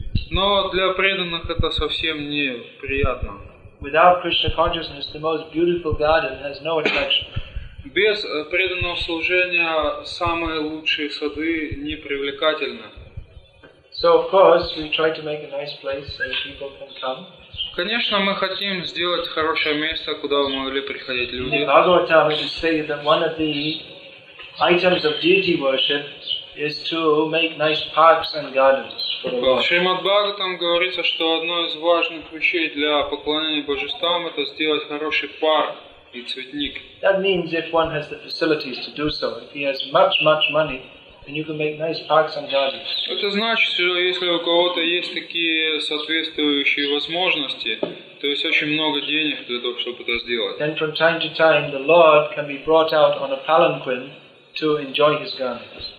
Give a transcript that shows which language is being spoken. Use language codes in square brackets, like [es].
[ru] Но для преданных это совсем не приятно. [en] Without Krishna consciousness, the most beautiful garden has no attraction. [ru] Без преданного служения самые лучшие сады не привлекательны. [en] So of course we try to make a nice place so people can come. [ru] Конечно, мы хотим сделать хорошее место, куда могли приходить люди. [en] In Bhagavatam, it is stated that one of the items of deity worship is to make nice parks and gardens. [ru] В Шримад Бхагаватам говорится, что одно из важных вещей для поклонения божествам это сделать хороший парк и цветник. [en] That means if one has the facilities to do so, if he has much, much money, then you can make nice parks and gardens. [ru] Это значит, что если у кого-то есть такие соответствующие возможности, то есть очень много денег для того, чтобы это сделать. [en] Then from time to time, the Lord can be brought out on a palanquin to enjoy his gardens.